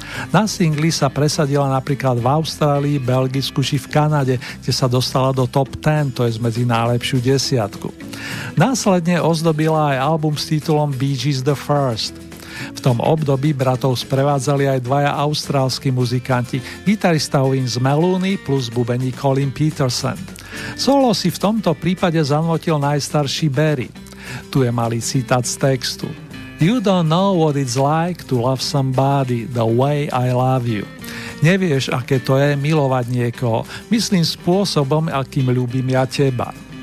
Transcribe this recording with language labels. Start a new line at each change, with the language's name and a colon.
Slovak: Na singli sa presadila napríklad v Austrálii, Belgicku či v Kanade, kde sa dostala do top 10, to je medzi najlepšiu desiatku. Následne ozdobila aj album s titulom Bee Gees The First. V tom období bratov sprevádzali aj dvaja austrálski muzikanti, gitarista Vince Meloni plus bubeník Colin Peterson. Solo si v tomto prípade zanotil najstarší Barry. Tu je malý citát z textu.
English: You don't know what it's like to love somebody the way I love you.
Slovak: Nevieš, aké to je milovať niekoho, myslím spôsobom, akým ľúbim ja teba.